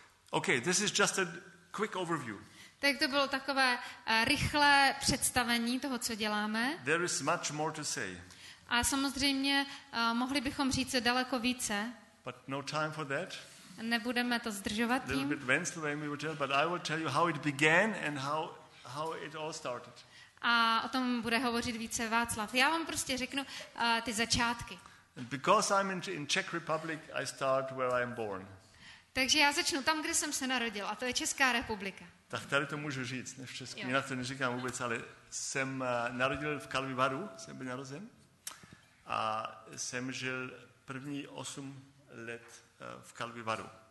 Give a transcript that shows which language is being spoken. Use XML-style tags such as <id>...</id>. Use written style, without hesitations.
<en>Okay, this is just a quick overview.</en> <cs>Tak to bylo takové rychlé představení toho, co děláme.</cs> <en>There is much more to say.</en> <cs>A samozřejmě mohli bychom říct daleko více.</cs> <en>But no time for that.</en> <cs>Nebudeme to zdržovat tím.</cs> <en>A little bit Wenzelway we will tell, but I will tell you how it began and how it all started.</en> <cs>A o tom bude hovořit více Václav. Já vám prostě řeknu ty začátky.</cs> <en>And because I'm in Czech Republic, I start where I'm born.</en> <cs>Takže já začnu tam, kde jsem se narodil, a to je Česká republika. Tak tady to můžu říct, ne v Česku. Jinak to neříkám vůbec, ale jsem narodil v Karlovy Varu, jsem byl narozen a jsem žil první 8 let v Karlovy Varu.</cs>